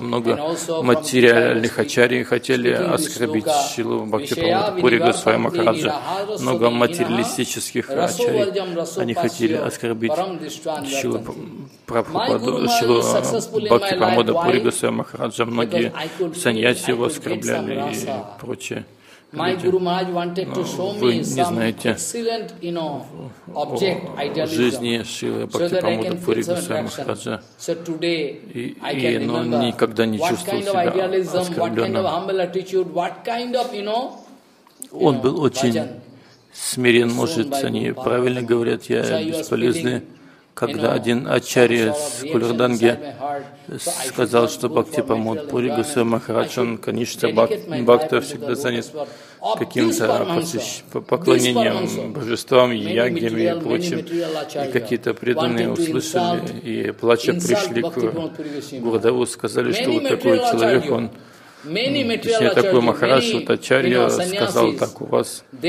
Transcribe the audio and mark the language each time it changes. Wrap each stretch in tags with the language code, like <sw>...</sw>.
<ru>Много материальных ачарий хотели оскорбить Шрилу Бхактипрамодапури Госвами Махараджа. Много материалистических ачарий они хотели оскорбить Шрилу Бхактипрамодапури Госвами Махараджа. Многие саньяси его оскорбляли и прочее.</ru> <en>My Guru Maharaj wanted to show me some excellent, object, idealism, so that I can feel some attraction. So today, I can remember what kind of idealism, what kind of humble attitude, what kind of, bhajan.</en> <ru>Смирен, может, они правильно говорят, я бесполезный. Когда один ачарья с Кулирданги сказал, что Бхакти Прамод Пури Госвами Махарадж, он Каништа Бхакта всегда занят каким-то поклонением божествам, ягьям и прочим, и какие-то преданные услышали, и плача пришли к Гурудеву, сказали, что вот такой человек, он, точнее, такой Махарадж, вот ачарья сказал так у вас.</ru>